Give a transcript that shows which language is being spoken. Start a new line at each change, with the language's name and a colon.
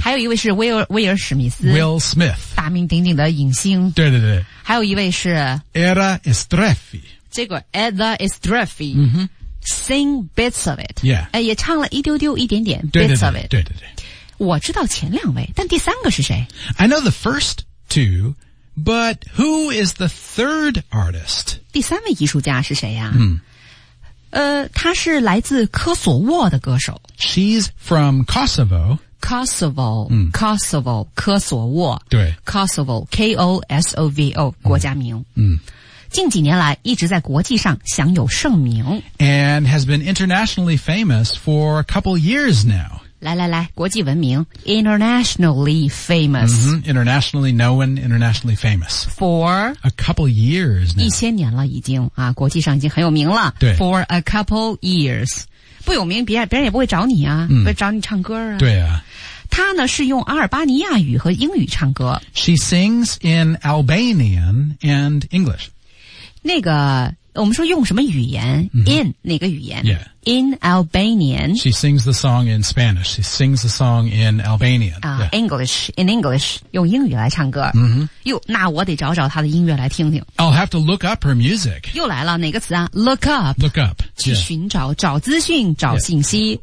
Chinese: 还有一位是威尔·史密斯。
English: Will Smith.
Chinese: 大名鼎鼎的影星。对。还有一位是
English: Era Estrefi. 这个 Era Estrefi.、Sing bits of it. Yeah.
Chinese: 也唱了一丢丢一点点
English: bits of it.
Chinese: 对。我知道前两位但第三个是谁
English: I know the first two, but who is the third artist?
Chinese: 第三位艺术家是谁呀、 mm. 他是来自科索沃的歌手。
English: She's from Kosovo.
Chinese: Kosovo,、Kosovo, 科索沃。对。 Kosovo, K-O-S-O-V-O, 国家名。近几年来一直在国际上享有盛名
English: And has been internationally famous for a couple years now
Chinese: 来国际闻名
English: Internationally famous、 Internationally known, internationally famous For a couple years now
Chinese: 一千年了已经啊，国际上已经很有名了对
English: For a couple years
Chinese: 不有名别人也不会找你啊、不会找你唱歌啊对啊他呢是用阿尔巴尼亚语和英语唱歌
English: She sings in Albanian and English
Chinese: 那个我们说用什么语言、in 哪个语言、
English: yeah. in Albanian she sings the song in Spanish she sings the song in Albanian、 English in English
Chinese: 用英语来唱歌、那我得找找她的音乐来听听
English: I'll have to look up her music
Chinese: 又来了哪个词啊
English: look up
Chinese: 去寻找、
English: yeah.
Chinese: 找资讯找信息、